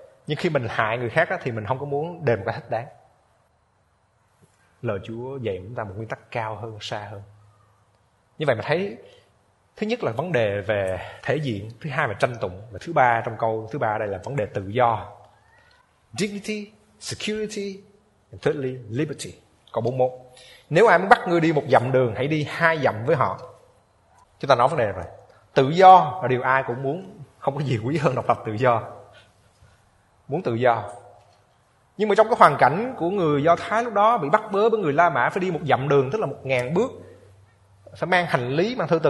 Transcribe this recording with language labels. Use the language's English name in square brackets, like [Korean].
[Vietnamese] Nhưng khi mình hại người khác thì mình không có muốn đền một cái thích đáng. Lời Chúa dạy chúng ta một nguyên tắc cao hơn, xa hơn. Như vậy mà thấy, thứ nhất là vấn đề về thể diện, thứ hai là tranh tụng, và thứ ba trong câu thứ ba đây là vấn đề tự do. [English] Dignity, security, and thirdly, liberty. [Vietnamese] Câu 41. Nếu ai muốn bắt ngươi đi một dặm đường, hãy đi hai dặm với họ. Chúng ta nói vấn đề này rồi. Tự do là điều ai cũng muốn, không có gì quý hơn độc lập tự do. Muốn tự do. Nhưng mà trong cái hoàn cảnh của người Do Thái lúc đó bị bắt bớ với người La Mã, phải đi một dặm đường, tức là 1,000 bước, phải mang hành lý, mang thư từ.